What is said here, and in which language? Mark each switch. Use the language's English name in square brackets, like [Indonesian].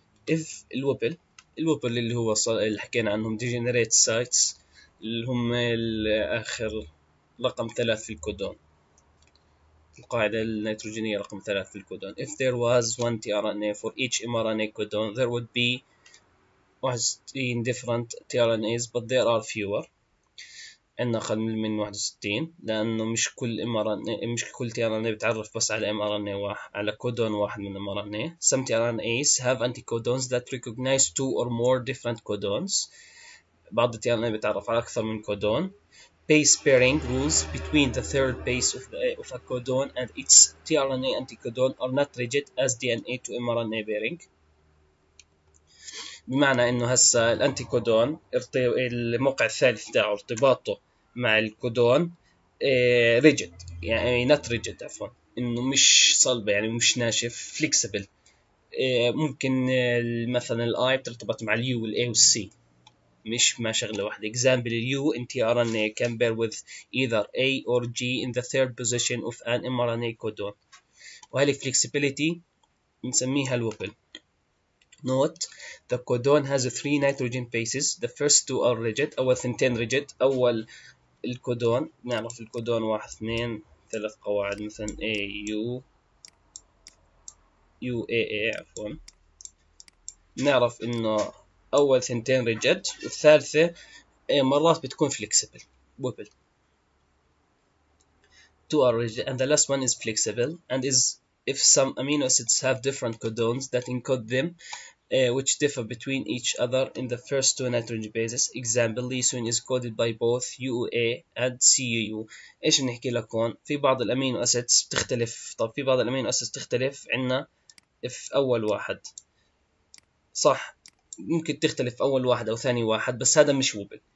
[Arabic] if الوبل، الوبل اللي هو اللي حكينا عنهم degenerate sites اللي هم الاخر رقم 3 في الكودون، القاعدة النيتروجينية رقم 3 في الكودون. [English] if there was one tRNA for each mRNA codon there would be 61 different tRNAs but there are fewer. [Arabic] عندنا أقل من 61 لأنه مش كل mRNA مش كل tRNA بتعرف بس على mRNA واحد على كودون واحد من mRNA. [English] Some tRNAs have anticodons that recognize two or more different codons. [Arabic] بعض الـ tRNA بتعرف على أكثر من كودون. [English] Base pairing rules between the third base of a codon and its tRNA anticodon are not rigid as DNA to mRNA pairing. [Arabic] بمعنى انه هسا الانتيكودون الموقع الثالث تاعه ارتباطه مع الكودون ريجيد، يعني نت ريجيد عفوا، انه مش صلب يعني مش ناشف، فليكسبل. ممكن مثلا الاي بترتبط مع اليو والاي والسي، مش ما شغله واحده. [English] Example Leu an T R N A can pair with either A or G in the third position of an m R N A codon. [Arabic] وهذه فليكسبيليتي نسميها الوبل. [English] Note the codon has three nitrogen bases. The first two are rigid. [Arabic] أول ثنتين rigid. أول الكودون نعرف الكودون واحد اثنين ثلاث قواعد مثلا A U U A A عفوا نعرف إنه أول ثنتين rigid والثالثة مرات بتكون flexible wobble. [English] Two are rigid and the last one is flexible and is if some amino acids have different codons that encode them. Which differ between each other in the first two nitrogen bases. Example, lysine is coded by both UUA and CUU. [Arabic] إيش بنحكي لك هون؟ في بعض الأمينو أسيدز بتختلف، طب في بعض الأمينو أسيدز تختلف عندنا في أول واحد. صح، ممكن تختلف في أول واحد أو ثاني واحد، بس هذا مش وبل.